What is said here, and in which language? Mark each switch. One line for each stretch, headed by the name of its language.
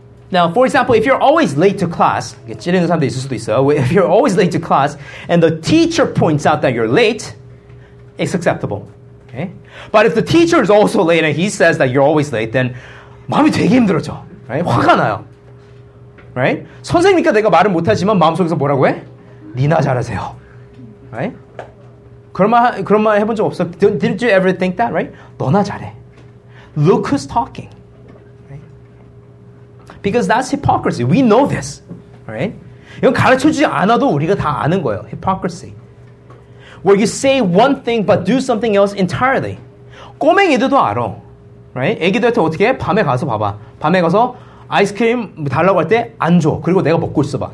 English: Now, for example, if you're always late to class,
Korean: 찌르는 사람도 있을 수도 있어요.
English: If you're always late to class, and the teacher points out that you're late, it's acceptable. Okay? But if the teacher is also late and he says that you're always late, then
Korean: 마음이 되게 힘들어져. Right? 화가 나요. Right? 선생님이니까 내가 말을 못하지만 마음속에서 뭐라고 해? 니나 잘하세요. Right? 그런 말 해본 적 없어.
English: Didn't you ever think that? Right?
Korean: 너나 잘해.
English: Look who's talking. Right? Because that's hypocrisy. We know this. Right?
Korean: 이건 가르쳐주지 않아도 우리가 다 아는 거예요.
English: Hypocrisy. Where you say one thing but do something else entirely.
Korean: 꼬맹이들도 알아. Right? 애기들한테 어떻게 해? 밤에 가서 봐봐. 밤에 가서 아이스크림 달라고 할 때 안 줘. 그리고 내가 먹고 있어봐.